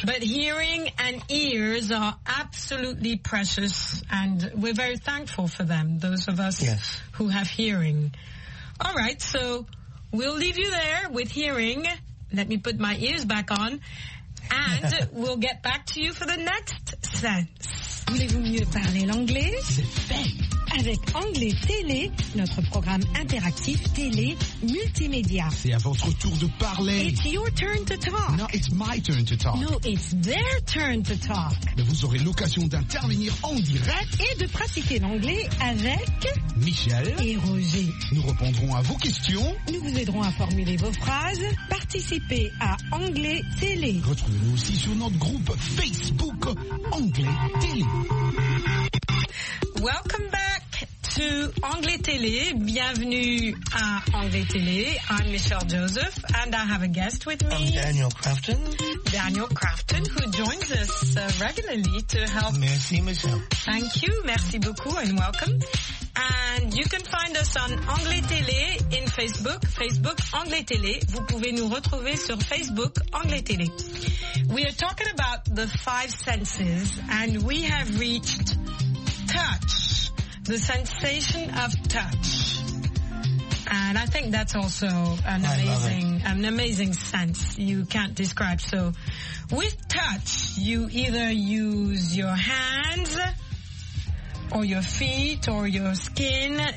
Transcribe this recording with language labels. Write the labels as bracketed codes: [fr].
[en] But hearing and ears are absolutely precious, and we're very thankful for them, those of us yes. who have hearing. All right, so we'll leave you there with hearing. Let me put my ears back on, and we'll get back to you for the next sense. [fr] Voulez-vous mieux parler l'anglais? C'est fait. Avec Anglais Télé, notre programme interactif télé multimédia. C'est à votre tour de parler. [en] It's your turn to talk. No, it's my turn to talk. No, it's their turn to talk. [fr] Mais vous aurez l'occasion d'intervenir en direct et de pratiquer l'anglais avec Michel et Roger. Nous répondrons à vos questions. Nous vous aiderons à formuler vos phrases. Participez à Anglais Télé. Retrouvez-nous aussi sur notre groupe Facebook Anglais Télé. [en] Welcome back to Anglais Télé. [fr] Bienvenue à Anglais Télé. [en] I'm Michelle Joseph and I have a guest with me. I'm Daniel Crafton. Daniel Crafton, who joins us regularly to help. [fr] Merci, Michelle. [en] Thank you. [fr] Merci beaucoup [en] and welcome. And you can find us on Anglais Télé in Facebook, Facebook Anglais Télé. [fr] Vous pouvez nous retrouver sur Facebook Anglais Télé. [en] We are talking about the five senses and we have reached touch, the sensation of touch. And I think that's also an amazing sense you can't describe. So with touch, you either use your hands or your feet or your skin.